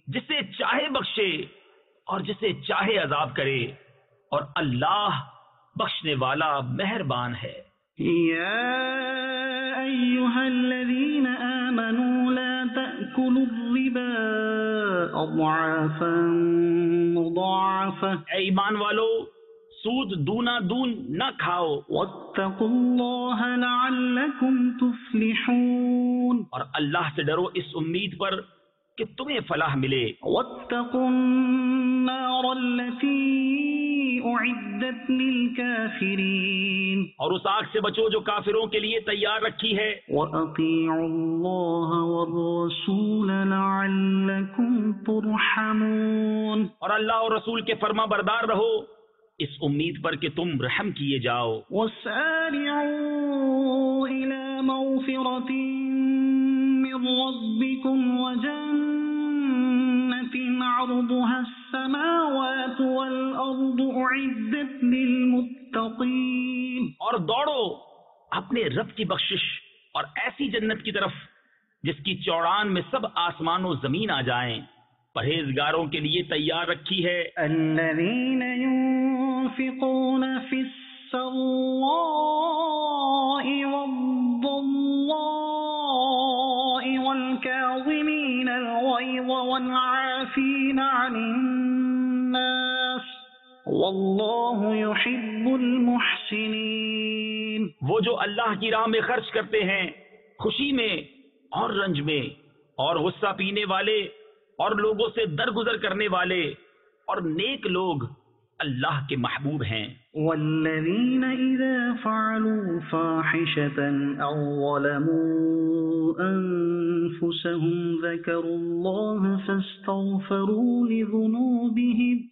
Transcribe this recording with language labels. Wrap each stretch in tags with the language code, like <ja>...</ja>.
<ur>جسے چاہے بخشے اور جسے چاہے عذاب کرے اور اللہ بخشنے والا مہربان ہے۔</ur> <ar>یا ایھا الذین آمنوا لا تأکلوا الربا اضعافا مضاعفا</ar> <ur>اے ایمان والو سود دونا دون نہ کھاؤ</ur> <ar>واتقوا اللہ لعلکم تفلحون</ar> <ur>اور اللہ سے ڈرو اس امید پر کہ تمہیں فلاح ملے</ur> <ar>وَاتَّقُوا النَّارَ الَّتِي أُعِدَّتْ لِلْكَافِرِينَ</ar> <ur>اور اس آگ سے بچو جو کافروں کے لیے تیار رکھی ہے</ur> <ar>وَأَطِيعُوا اللَّهَ وَالرَّسُولَ لَعَلَّكُمْ تُرْحَمُونَ</ar> <ur>اور اللہ اور رسول کے فرما بردار رہو اس امید پر کہ تم رحم کیے جاؤ</ur> <ar>وَسَارِعُوا إِلَى مَغْفِرَةٍ ربكم وجنة عرضها السماوات والأرض أعدت للمتقين</ar> <ur>اور دوڑو اپنے رب کی بخشش اور ایسی جنت کی طرف جس کی چوڑان میں سب آسمان و زمین آ جائیں پرہیزگاروں کے لیے تیار رکھی ہے</ur> <ar>الذين ينفقون في السراء والضراء والكاظمين الغيظ والعافين عن الناس والله يحب المحسنين</ar> <ur>وہ جو اللہ کی راہ میں خرچ کرتے ہیں خوشی میں اور رنج میں اور غصہ پینے والے اور لوگوں سے درگزر کرنے والے اور نیک لوگ اللہ کے محبوب ہیں</ur> <ar>والذین اذا فعلوا فاحشة او ظلموا انفسهم ذکروا اللہ فاستغفروا لذنوبهم</ar>